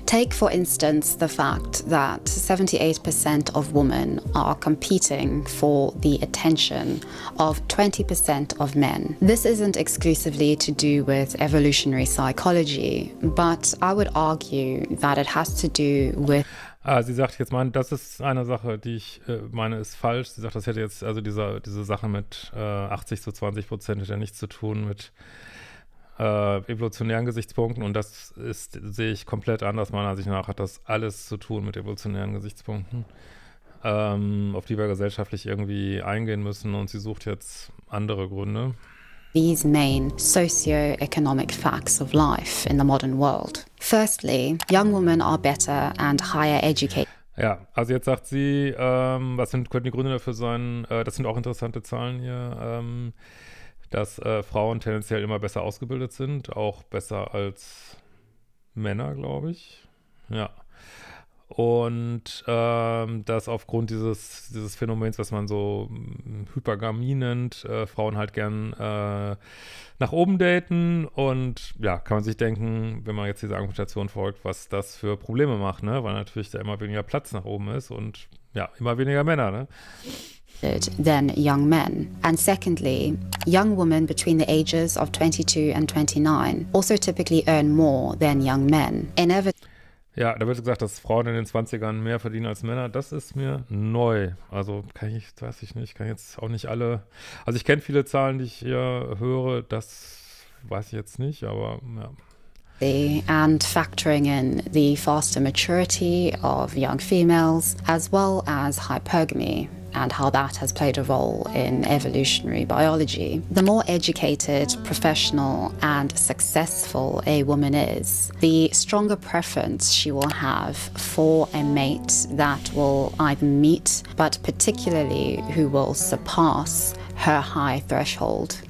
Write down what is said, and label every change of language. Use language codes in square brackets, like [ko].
[en] Take for instance the fact that 78% of women are competing for the attention of 20% of men. This isn't exclusively to do with evolutionary psychology, but I would argue that it has to do with. [de] Ah, sie sagt jetzt, mein, das ist eine Sache, die ich meine, ist falsch. Sie sagt, das hätte jetzt also dieser, diese Sache mit 80-20% hätte ja nichts zu tun mit evolutionären Gesichtspunkten und das ist, sehe ich komplett anders, meiner Ansicht nach hat das alles zu tun mit evolutionären Gesichtspunkten, auf die wir gesellschaftlich irgendwie eingehen müssen und sie sucht jetzt andere Gründe. [en] These main socio-economic facts of life in the modern world. Firstly, young women are better and higher educated. [de] Ja, also jetzt sagt sie, was sind, könnten die Gründe dafür sein, das sind auch interessante Zahlen hier, dass Frauen tendenziell immer besser ausgebildet sind, auch besser als Männer, glaube ich. Ja. Und dass aufgrund dieses Phänomens, was man so Hypergamie nennt, Frauen halt gern nach oben daten. Und ja, kann man sich denken, wenn man jetzt dieser Argumentation folgt, was das für Probleme macht, ne? Weil natürlich da immer weniger Platz nach oben ist und ja, immer weniger Männer, ne? [en] Than young men. And secondly, young women between the ages of 22 and 29 also typically earn more than young men. [de] Ja, da wird gesagt, dass Frauen in den 20ern mehr verdienen als Männer. Das ist mir neu. Also kann ich, weiß ich nicht, kann jetzt auch nicht alle. Also ich kenne viele Zahlen, die ich hier höre. Das weiß ich jetzt nicht, aber [en] The, and factoring in the faster maturity of young females, as well as hypergamy, and how that has played a role in evolutionary biology. The more educated, professional, and successful a woman is, the stronger preference she will have for a mate that will either meet, but particularly who will surpass her high threshold.